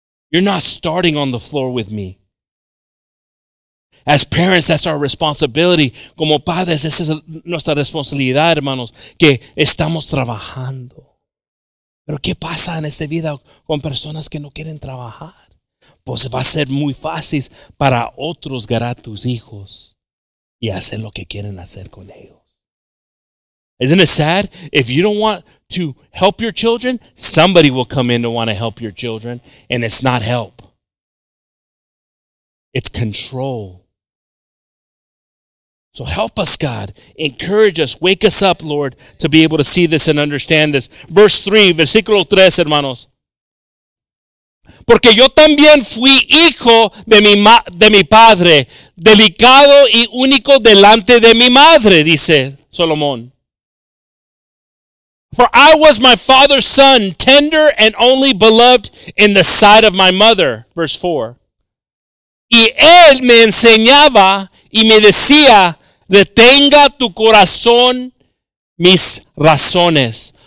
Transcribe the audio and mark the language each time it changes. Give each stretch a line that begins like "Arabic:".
English: You're not starting on the floor with me. As parents, that's our responsibility.
Spanish: Como padres, esa es nuestra responsabilidad, hermanos, que estamos trabajando. Pero ¿qué pasa en esta vida con personas que no quieren trabajar? Pues va a ser muy fácil para otros ganar tus hijos y hacer lo que quieren hacer con ellos.
English: Isn't it sad? If you don't want to help your children, somebody will come in to want to help your children, and it's not help. It's control. So help us, God. Encourage us. Wake us up, Lord, to be able to see this and understand this. Verse 3,
Spanish: versículo 3, hermanos. Porque yo también fui hijo de mi padre, delicado y único delante de mi madre, dice Salomón.
English: For I was my father's son, tender and only beloved in the sight of my mother. Verse 4.
Spanish: Y él me enseñaba y me decía, detenga tu corazón mis razones.